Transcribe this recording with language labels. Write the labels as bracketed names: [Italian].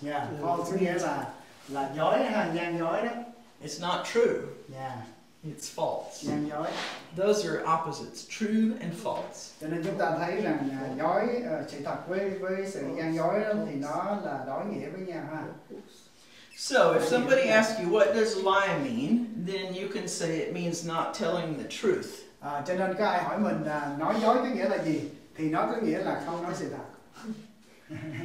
[Vietnamese] Yeah, false nghĩa là dối ha, gian dối đó. [English] It's not true. Yeah. It's false. [Vietnamese] Gian dối. [English] Those are opposites, true and false. [Vietnamese] Cho nên chúng ta thấy rằng dối, sự thật với sự gian dối đó thì nó là đối nghĩa với nhau ha. [English] So if somebody asks you what does lie mean, then you can say it means not telling the truth. [Vietnamese] Cho nên có ai hỏi mình nói dối có nghĩa là gì thì nó có nghĩa là không nói sự thật.